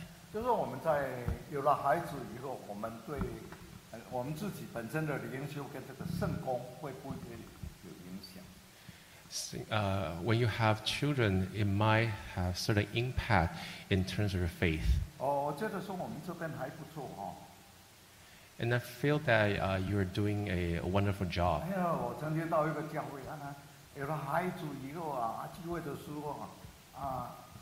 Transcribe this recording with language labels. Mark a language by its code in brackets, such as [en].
[zh] 就是我们在有了孩子以后，我们对我们自己本身的灵修跟这个圣功会不会有影响？ [en] When you have children, it might have certain impact in terms of your faith. [zh] 哦，我觉得说我们这边还不错哈。And [en] I feel that you're doing a wonderful job. [zh] 哎呀，我曾经到一个教会，有了孩子以后啊，聚会的时候啊。